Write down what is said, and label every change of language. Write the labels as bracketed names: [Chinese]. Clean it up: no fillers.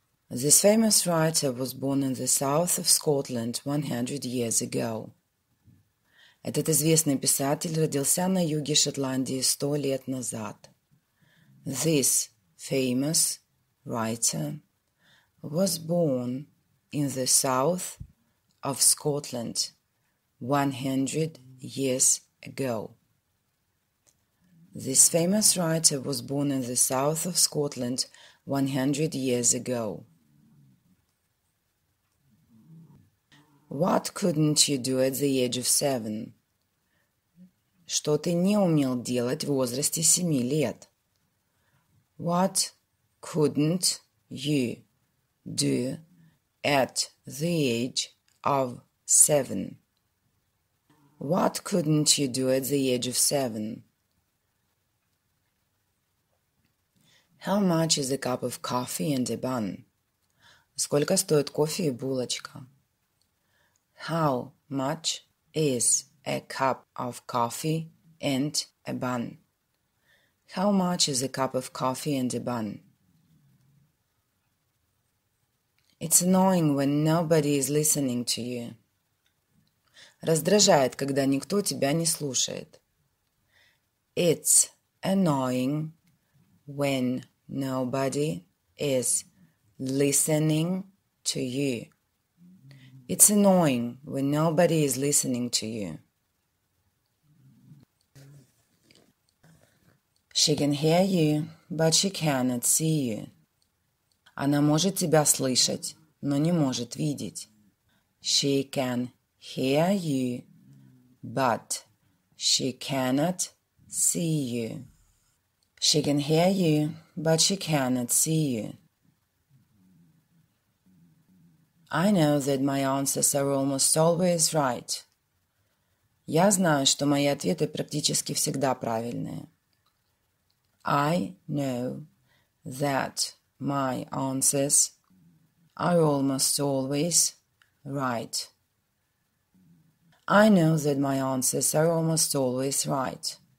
[English] This famous writer was born in the south of Scotland 100 years ago. [Russian] Этот известный писатель родился на юге Шотландии 100 лет назад. [English] This famous writer was born in the south of Scotland 100 years ago. This famous writer was born in the south of Scotland 100 years ago. What couldn't you do at the age of 7? [Russian] Что ты не умел делать в возрасте 7 лет? [English] What couldn't you do at the age of 7? What couldn't you do at the age of 7? How much is a cup of coffee and a bun? [Russian] Сколько стоит кофе и булочка? [English] How much is a cup of coffee and a bun? How much is a cup of coffee and a bun? It's annoying when nobody is listening to you. [Russian] Раздражает, когда никто тебя не слушает. [English] It's annoying when nobody is listening to you. It's annoying when nobody is listening to you. She can hear you, but she cannot see you. [Russian] Она может тебя слышать, но не может видеть. [English] She can hear you, but she cannot see you. She can hear you, but she cannot see you. I know that my answers are almost always right. [Russian] Я знаю, что мои ответы практически всегда правильные. [English] I know that my answers are almost always right. I know that my answers are almost always right.